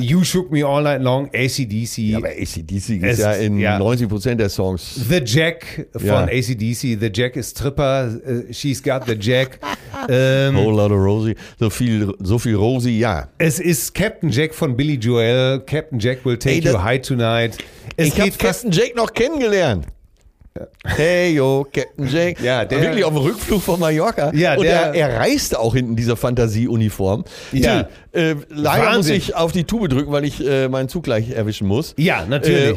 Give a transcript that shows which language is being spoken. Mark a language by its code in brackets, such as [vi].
[en] You Shook Me All Night Long, AC/DC. [de] Ja, aber AC/DC ist ja in 90% der Songs. The Jack von AC/DC. The Jack ist Tripper. [en] She's got the Jack. [de] Whole lot of Rosie. So viel Rosie, ja. Es ist Captain Jack von Billy Joel. [en] Captain Jack will take you high tonight. [de] Ich habe Captain Jack noch kennengelernt. [en] Hey, yo, Captain Jack. [de] Ja, der wirklich auf dem Rückflug von Mallorca. Ja, Und er reiste auch hinten in dieser Fantasie-Uniform. Ja. Leider Wahnsinn. Muss ich auf die Tube drücken, weil ich meinen Zug gleich erwischen muss. Ja, natürlich.